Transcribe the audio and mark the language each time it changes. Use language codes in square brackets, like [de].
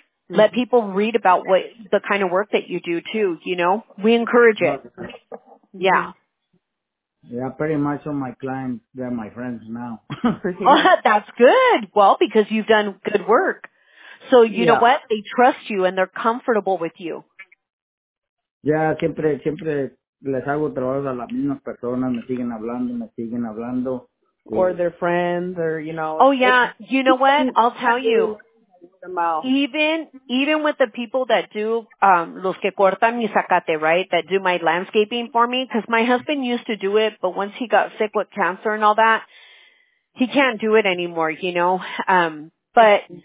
[en] Let people read about what the kind of work that you do too, you know? We encourage it. Yeah. Yeah, pretty much all my clients, they're my friends now. That's good. Well, because you've done good work. So you know what? They trust you and they're comfortable with you. [es] Yeah, siempre les hago trabajos a las mismas personas, me siguen hablando. [en] Or their friends or, you know. Oh, yeah. You know what? I'll tell you. Even with the people that do [es] los que cortan mi zacate, [en] right, that do my landscaping for me, because my husband used to do it, but once he got sick with cancer and all that, he can't do it anymore, you know. But